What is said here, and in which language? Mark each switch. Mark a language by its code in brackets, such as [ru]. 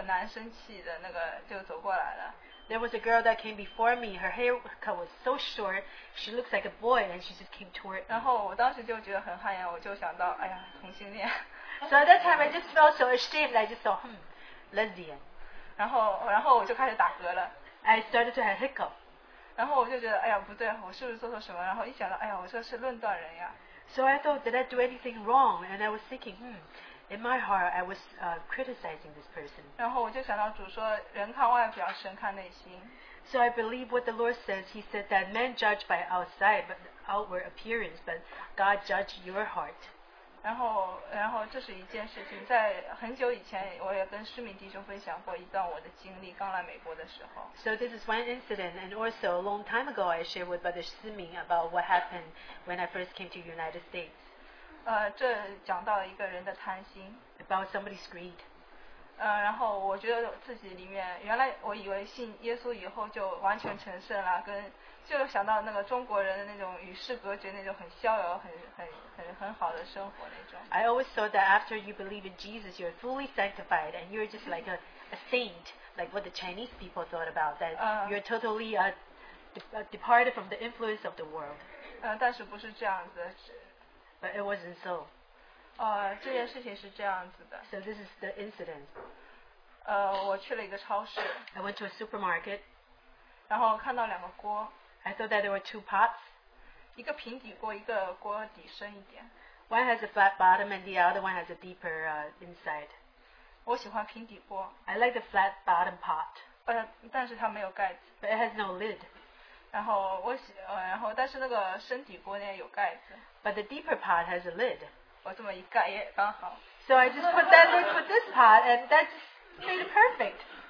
[zh] 然后前面走来一个女生，头发剪得很短，那个很难生气的那个就走过来了。 [en] There was a girl that came before me. Her haircut was so short. She looks like a boy, and she just came toward. [zh] 然后我当时就觉得很汗颜，我就想到，哎呀，同性恋。 [en] So at that time, I just felt so ashamed. I just thought, lesbian. [zh] 然后我就开始打嗝了。 [en] I started to have hiccup. [zh] 然后我就觉得，哎呀，不对，我是不是做错什么？然后一想到，哎呀，我这是论断人呀。 [en] So I thought, did I do anything wrong? And I was thinking, in my heart, I was criticizing this person. [zh] 然后我就想到主说, 人看外表, 神看内心。 [en] So I believe what the Lord says. He said that men judge by outside, but outward appearance, but God judge your heart. [zh] 然后这是一件事情, 在很久以前我也跟诗敏弟兄分享过一段我的经历, 刚来美国的时候。 [en] So this is one incident, and also a long time ago I shared with Brother Siming about what happened when I first came to the United States. [zh] 这讲到一个人的贪心, [en] about somebody's greed. [zh] 然后我觉得自己里面, 原来我以为信耶稣以后就完全成圣了, 跟, 就想到那个中国人的那种与世隔绝那种很逍遥很好的生活那种。 [en] I always thought that after you believe in Jesus, you're fully sanctified and you're just like a saint, like what the Chinese people thought about, that you're totally departed from the influence of the world. [zh] 但是不是这样子。 [en] But it wasn't so. [zh] 这件事情是这样子的。 [en] So this is the incident. [zh] 我去了一个超市。 [en] I went to a supermarket. [zh] 然后看到两个锅。 [en] I thought that there were two pots. [zh] 一个平底锅, 一个锅底深一点。 [en] One has a flat bottom and the other one has a deeper inside. [zh] 我喜欢平底锅。 [en] I like the flat bottom pot. [zh] 但是它没有盖子。 [en] But it has no lid. [zh] 然后但是那个深底锅呢有盖子。 [en] But the deeper pot has a lid. [zh] 我这么一盖也刚好。 [en] So I just put that lid for this pot and that just made it perfect.